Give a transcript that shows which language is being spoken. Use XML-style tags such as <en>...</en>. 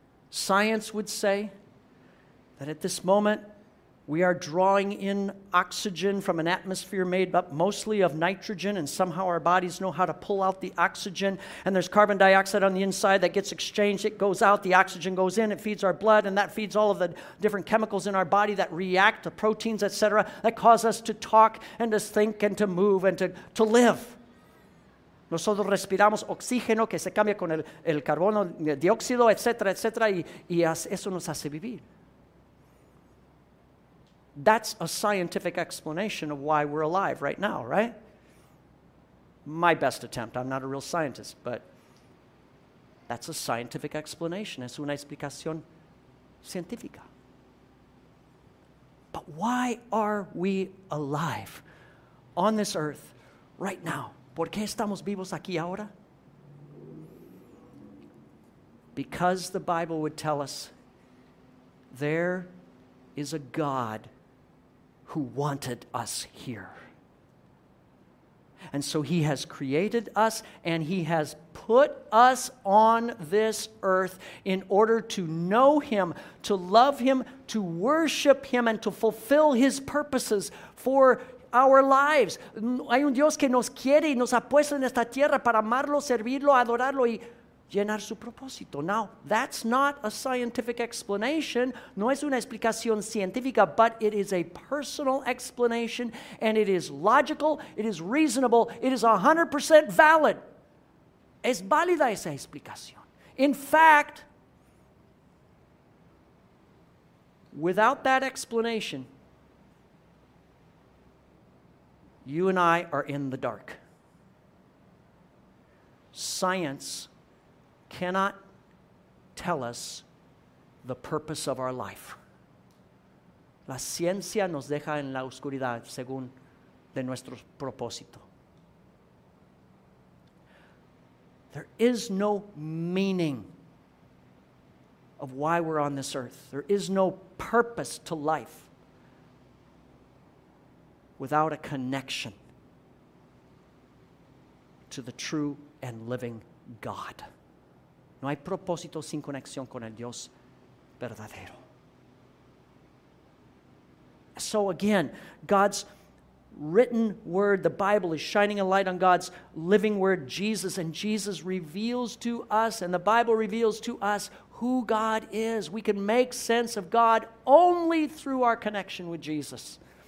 <en>Science would say that at this moment we are drawing in oxygen from an atmosphere made up mostly of nitrogen, and somehow our bodies know how to pull out the oxygen, and there's carbon dioxide on the inside that gets exchanged. It goes out, the oxygen goes in, it feeds our blood, and that feeds all of the different chemicals in our body that react, the proteins, etc., that cause us to talk and to think and to move and to live.</en> <es>Nosotros respiramos oxígeno que se cambia con el carbono, el dióxido, etcétera, etcétera, y eso nos hace vivir.</es> <en>That's a scientific explanation of why we're alive right now, right? My best attempt. I'm not a real scientist, but that's a scientific explanation.</en> <es>Es una explicación científica.</es> <en>But why are we alive on this earth right now?</en> <es>¿Por qué estamos vivos aquí ahora?</es> <en>Because the Bible would tell us there is a God who wanted us here. And so he has created us and he has put us on this earth in order to know him, to love him, to worship him, and to fulfill his purposes for our lives.</en> <es>Hay un Dios que nos quiere y nos ha puesto en esta tierra para amarlo, servirlo, adorarlo y llenar su propósito.</es> <en>Now, that's not a scientific explanation.</en> <es>No es una explicación científica,</es> <en>but it is a personal explanation, and it is logical, it is reasonable, it is 100% valid.</en> <es>Es válida esa explicación.</es> <en>In fact, without that explanation, you and I are in the dark. Science cannot tell us the purpose of our life.</en> <es>La ciencia nos deja en la oscuridad según de nuestro propósito.</es> <en>There is no meaning of why we're on this earth. There is no purpose to life without a connection to the true and living God.</en> <es>No hay propósito sin conexión con el Dios verdadero.</es> <en>So again, God's written word, the Bible, is shining a light on God's living word, Jesus, and Jesus reveals to us, and the Bible reveals to us who God is. We can make sense of God only through our connection with Jesus.</en>